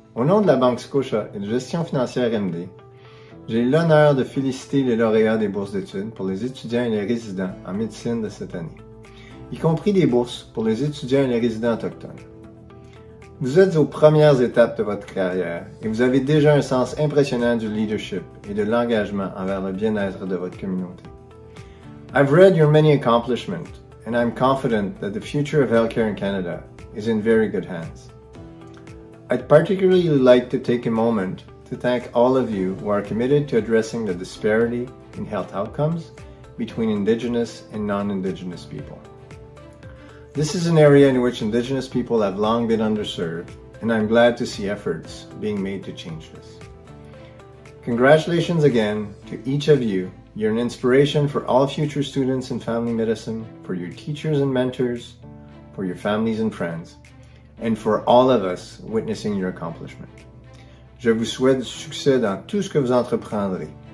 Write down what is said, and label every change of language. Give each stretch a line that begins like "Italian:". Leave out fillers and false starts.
French: Au nom de la Banque Scotia et de Gestion financière MD, j'ai l'honneur de féliciter les lauréats des bourses d'études pour les étudiants et les résidents en médecine de cette année, y compris des bourses pour les étudiants et les résidents autochtones. Vous êtes aux premières étapes de votre carrière et vous avez déjà un sens impressionnant du leadership et de l'engagement envers le bien-être de votre communauté.
English: I've read your many accomplishments and I'm confident that the future of healthcare in Canada is in very good hands. I'd particularly like to take a moment to thank all of you who are committed to addressing the disparity in health outcomes between Indigenous and non-Indigenous people. This is an area in which Indigenous people have long been underserved, and I'm glad to see efforts being made to change this. Congratulations again to each of you. You're an inspiration for all future students in family medicine, for your teachers and mentors, for your families and friends, and for all of us witnessing your accomplishment.
French: Je vous souhaite succès dans tout ce que vous entreprendrez.